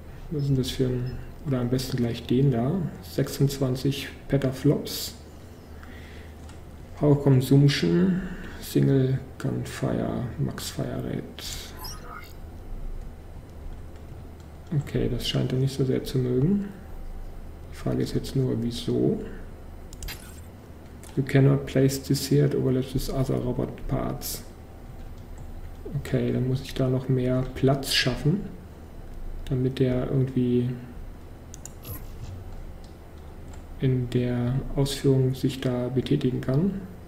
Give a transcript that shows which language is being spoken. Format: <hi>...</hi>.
<de>Was ist denn das für ein... Oder am besten gleich den da. 26 Petaflops.</de> <en>Power Consumption. Single Gunfire. Max Fire Rate.</en> <de>Okay, das scheint er nicht so sehr zu mögen. Die Frage ist jetzt nur, wieso.</de> <en>You cannot place this here, it overlaps with other robot parts.</en> <de>Okay, dann muss ich da noch mehr Platz schaffen, damit der irgendwie in der Ausführung sich da betätigen kann.</de>